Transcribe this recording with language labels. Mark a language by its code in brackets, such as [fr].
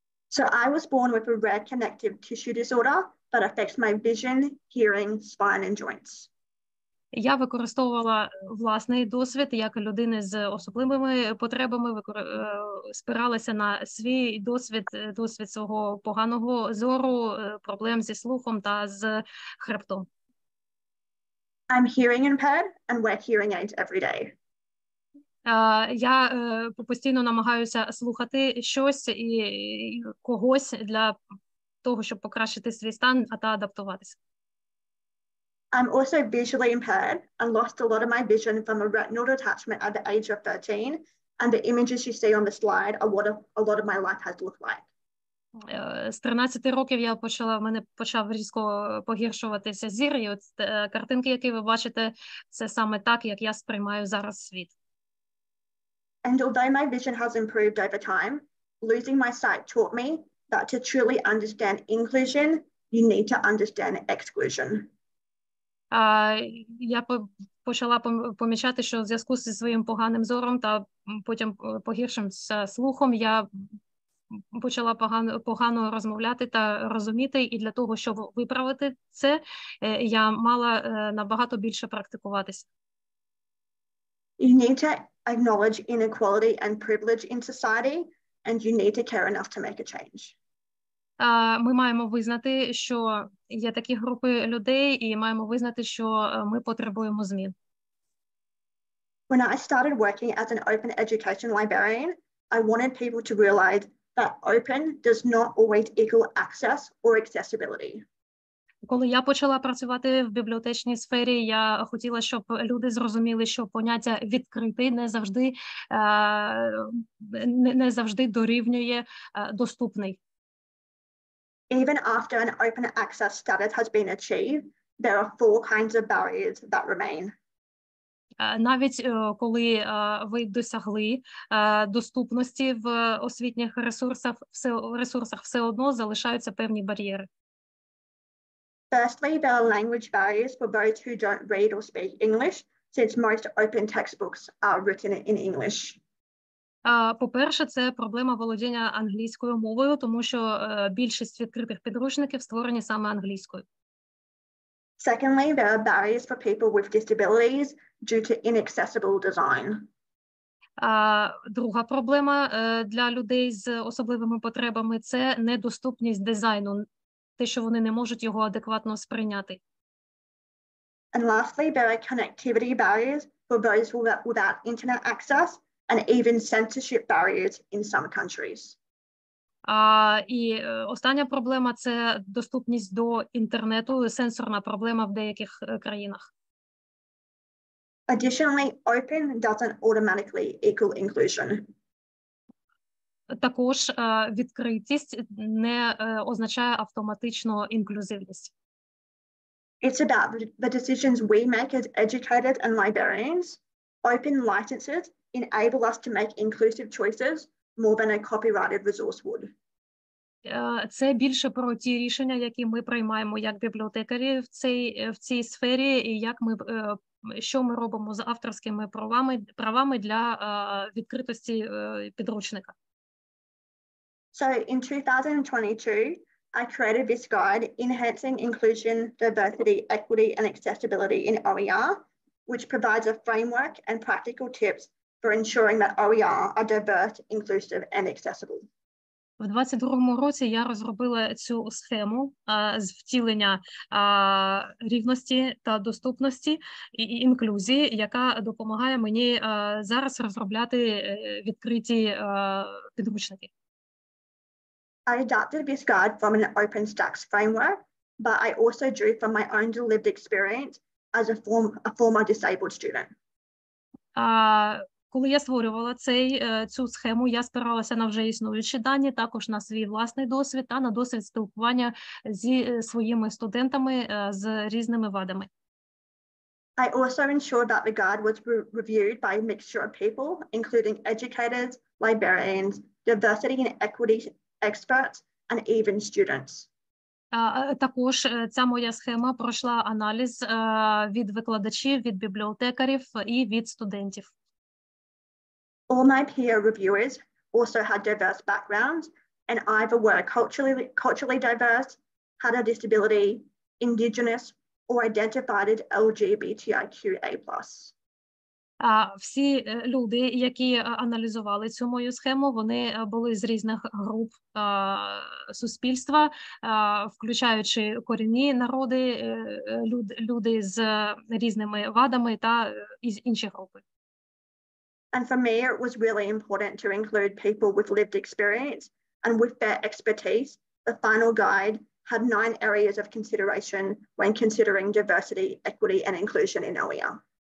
[en] So I was born with a rare connective tissue disorder that affects my vision, hearing, spine, and joints. [uk] Я використовувала власний досвід як людини з особливими потребами, спиралася на свій досвід свого поганого зору, проблем зі слухом та з хребтом. [en] I'm hearing impaired and wear hearing aids every day. [uk] Я постійно намагаюся слухати щось і когось для того, щоб покращити свій стан та адаптуватися. [en] I'm also visually impaired and lost a lot of my vision from a retinal detachment at the age of 13, and the images you see on the slide are what a lot of my life has looked like. [uk] З 13 років в мене почав різко погіршуватися зір, і от картинки, які ви бачите, це саме так, як я сприймаю зараз світ. [en] And although my vision has improved over time, losing my sight taught me that to truly understand inclusion, you need to understand exclusion. [uk] Я почала помічати, що в зв'язку зі своїм поганим зором та потім погіршим слухом, я почала погано розмовляти та розуміти, і для того, щоб виправити це, я мала набагато більше практикуватися. [en] You need to acknowledge inequality and privilege in society, and you need to care enough to make a change. [uk] Ми маємо визнати, що є такі групи людей, і маємо визнати, що ми потребуємо змін. [en] When I started working as an open education librarian, I wanted people to realize that open does not always equal access or accessibility. [uk] Коли я почала працювати в бібліотечній сфері, я хотіла, щоб люди зрозуміли, що поняття відкритий не завжди дорівнює доступний. [en] Even after an open access status has been achieved, there are four kinds of barriers that remain. [uk] Навіть коли ви досягли доступності в освітніх ресурсах, все одно залишаються певні бар'єри. [en] Firstly, there are language barriers for those who don't read or speak English, since most open textbooks are written in English. [uk] По-перше, це проблема володіння англійською мовою, тому що більшість відкритих підручників створені саме англійською. [en] Secondly, there are barriers for people with disabilities due to inaccessible design. [uk] Друга проблема для людей з особливими потребами – це недоступність дизайну, те, що вони не можуть його адекватно сприйняти. [en] And lastly, there are connectivity barriers for those without internet access and even censorship barriers in some countries. [uk] І остання проблема – це доступність до інтернету, сенсорна проблема в деяких країнах. [en] Additionally, open doesn't automatically equal inclusion. [uk] Також відкритість не означає автоматично інклюзивність. [en] It's about the decisions we make as educators and librarians. Open licenses enable us to make inclusive choices more than a copyrighted resource would. [uk] Це більше про ті рішення, які ми приймаємо як бібліотекарі в цій сфері, і як ми що ми робимо з авторськими правами для відкритості підручника. [en] So in 2022, I created this guide, Enhancing Inclusion, Diversity, Equity and Accessibility in OER, which provides a framework and practical tips for ensuring that OER are diverse, inclusive and accessible. [uk] В 22-му році я розробила цю схему з втілення рівності та доступності і інклюзії, яка допомагає мені зараз розробляти відкриті підручники. [en] I adapted this guide from an OpenStax framework, but I also drew from my own lived experience as a former disabled student. [uk] Коли я створювала цю схему, я спиралася на вже існуючі дані, також на свій власний досвід та на досвід спілкування зі своїми студентами з різними вадами. [en] I also ensured that the guide was reviewed by a mixture of people, including educators, librarians, diversity and equity experts, and even students. [uk] Також ця моя схема пройшла аналіз від викладачів, від бібліотекарів і від студентів. [en] All my peer reviewers also had diverse backgrounds and either were culturally diverse, had a disability, indigenous, or identified as LGBTIQA+. [uk] Всі люди, які аналізували цю мою схему, вони були з різних груп суспільства, включаючи корінні народи, люди з різними вадами та із інших груп. [en] And for me, it was really important to include people with lived experience and with their expertise. The final guide had 9 areas of consideration when considering diversity, equity, and inclusion in OER.